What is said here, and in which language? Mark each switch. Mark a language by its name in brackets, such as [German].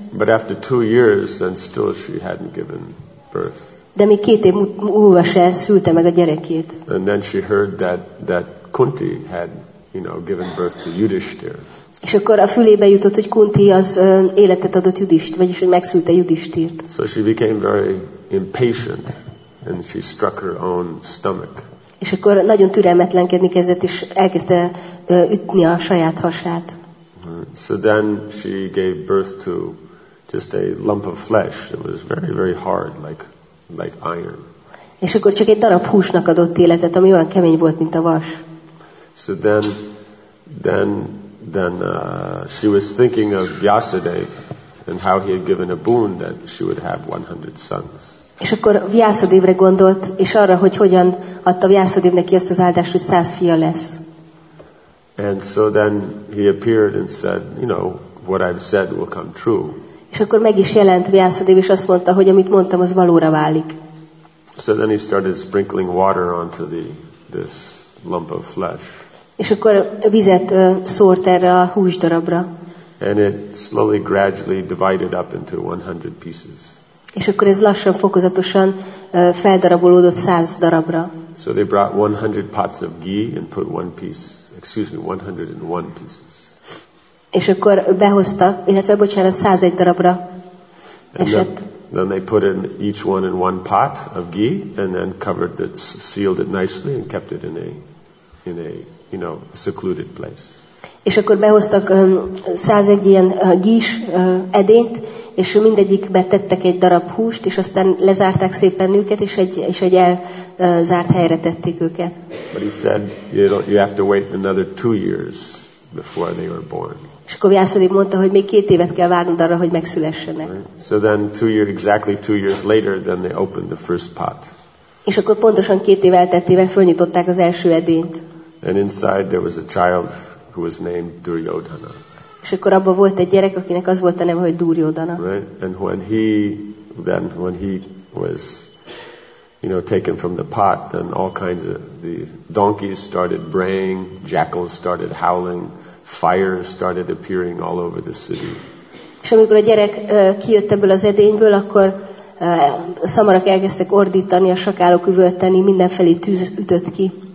[English] But after 2 years, then still she hadn't given birth. [Hungarian] De még 2 év múlva se szülte meg a gyerekét. [English] And then she heard that Kunti had, you know, given birth to Yudhishthir. [Hungarian] És akkor a fülébe jutott, hogy Kunti az életet adott Judist, vagyis hogy megszülte Judistírt. [English] So she became very impatient and she struck her own stomach. [Hungarian] És akkor nagyon türelmetlenkedni kezdett, és elkezdte ütni a saját hasát. [English] So then she gave birth to just a lump of flesh that was very, very hard, like iron. [Hungarian] És akkor csak egy darab húsnak adott életet, ami olyan kemény volt, mint a vas. [English] So then she was thinking of Vyasadev and how he had given a boon that she would have 100 sons. [Hungarian] És akkor Vyasadevre gondolt, és arra, hogy hogyan adta Vyasadev neki azt az áldást, hogy 100 fia lesz. [English] And so then he appeared and said, you know, what I've said will come true. [Hungarian] És akkor meg is jelent Vyasadev, és azt mondta, hogy amit mondtam, az valóra válik. [English] So then he started sprinkling water onto this lump of flesh. [Hungarian] És akkor vizet szórt erre a húsdarabra. [English] And it slowly gradually divided up into 100 pieces. [Hungarian] És akkor ez lassan fokozatosan feldarabolódott 100 darabra. [English] So they brought 100 pots of ghee and put 1 piece, excuse me, 101 pieces. [Hungarian] És akkor behozta, illetve bocsánat, 101 darabra esett. [English] Then they put in each one in 1 pot of ghee and then covered it, sealed it nicely and kept it in a you know, secluded place. [Hungarian] És akkor behoztak 101 ilyen gis edényt, és mindegyikbe tettek egy darab húst, és aztán lezárták szépen őket, és egy elzárt helyre tették őket. [English] But he said, you have to wait another 2 years before they were born. [Hungarian] És akkor Vyasadev mondta, hogy még 2 évet kell várnod arra, hogy megszülessenek. [English] Right. So then exactly two years later, then they opened the first pot. [Hungarian] És akkor pontosan 2 év elteltével fölnyitották az első edényt. [English] And inside there was a child who was named Duryodhana. [Hungarian] És akkor abban volt egy gyerek, akinek az volt a neve, hogy Duryodhana. [English] Right? And when he was you know, taken from the pot, then all kinds of the donkeys started braying, jackals started howling, fire started appearing all over the city. [Hungarian] És amikor a gyerek kijött ebből az edényből, akkor szamarak elkezdtek ordítani, a sakálok üvölteni, mindenfelé tűz ütött ki.